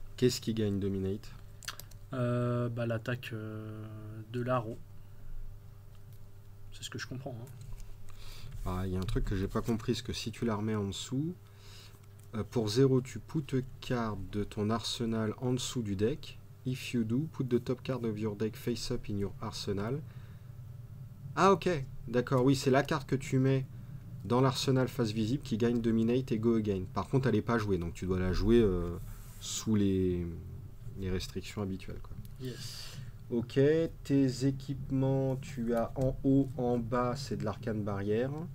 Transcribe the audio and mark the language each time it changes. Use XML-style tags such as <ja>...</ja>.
<fr>Qu'est-ce qui gagne Dominate? Bah, l'attaque de l'arrow. C'est ce que je comprends. Ah, il y a un truc que j'ai pas compris, c'est que si tu la remets en dessous, pour 0, tu</fr> <en>put a card</en> <fr>de ton arsenal en dessous du deck.</fr> <en>If you do, put the top card of your deck face up in your arsenal.</en> <fr>Ah ok, d'accord, oui, c'est la carte que tu mets dans l'arsenal face visible qui gagne Dominate et Go Again. Par contre, elle n'est pas jouée, donc tu dois la jouer. Sous les restrictions habituelles, quoi.</fr> <en>Yes.</en> <fr>Ok, tes équipements, tu as en haut, en bas, c'est de l'arcane barrière.</fr>